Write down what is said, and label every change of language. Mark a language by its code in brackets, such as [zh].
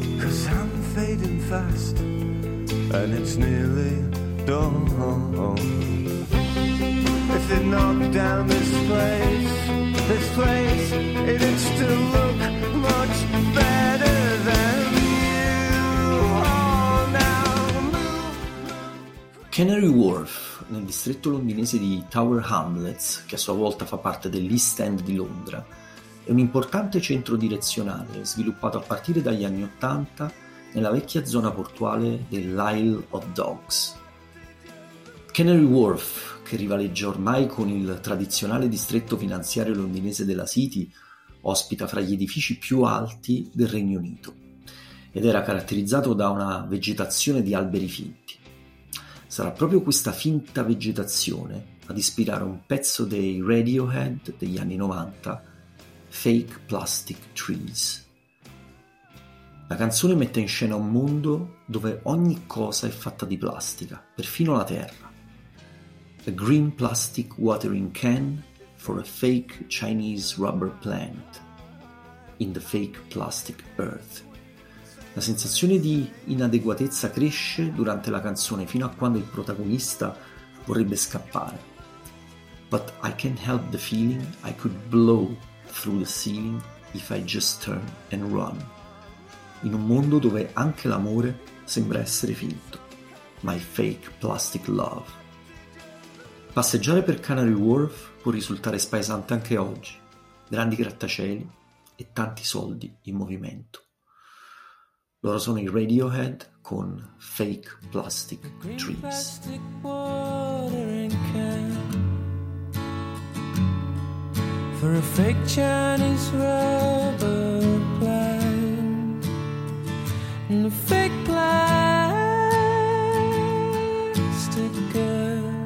[en] Cause I'm fading fast and it's nearly dawn. If they knock down this place, it'd still look much better than you. Oh, now move. [it] Canary Wharf, nel distretto londinese di Tower Hamlets, che a sua volta fa parte dell'East End di Londra, è un importante centro direzionale sviluppato a partire dagli anni Ottanta nella vecchia zona portuale dell'Isle of Dogs. Canary Wharf, che rivaleggia ormai con il tradizionale distretto finanziario londinese della City, ospita fra gli edifici più alti del Regno Unito ed era caratterizzato da una vegetazione di alberi finti. Sarà proprio questa finta vegetazione ad ispirare un pezzo dei Radiohead degli anni 90, Fake Plastic Trees. La canzone mette in scena un mondo dove ogni cosa è fatta di plastica, perfino la terra. [en] A green plastic watering can for a fake Chinese rubber plant in the fake plastic earth. [it] La sensazione di inadeguatezza cresce durante la canzone fino a quando il protagonista vorrebbe scappare. [en] But I can't help the feeling I could blow through the ceiling if I just turn and run. [it] In un mondo dove anche l'amore sembra essere finto. [en] My fake plastic love. [it] Passeggiare per Canary Wharf può risultare spaesante anche oggi. Grandi grattacieli e tanti soldi in movimento. Loro sono i Radiohead con Fake Plastic Trees. [en] Green plastic watering can for a fake Chinese rubber plant and a fake plastic girl.